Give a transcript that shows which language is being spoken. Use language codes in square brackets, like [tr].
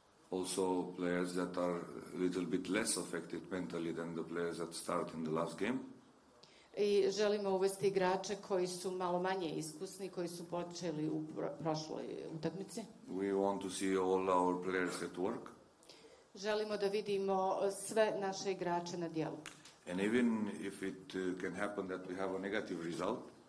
[en] Also players that are a little bit less affected mentally than the players that start in the last game. [hr] I želimo uvesti igrače koji su malo manje iskusni, koji su počeli u prošloj utakmici. [en] We want to see all our players at work. [hr] Želimo da vidimo sve naše igrače na djelu. [en] And even if it can happen that we have a negative result.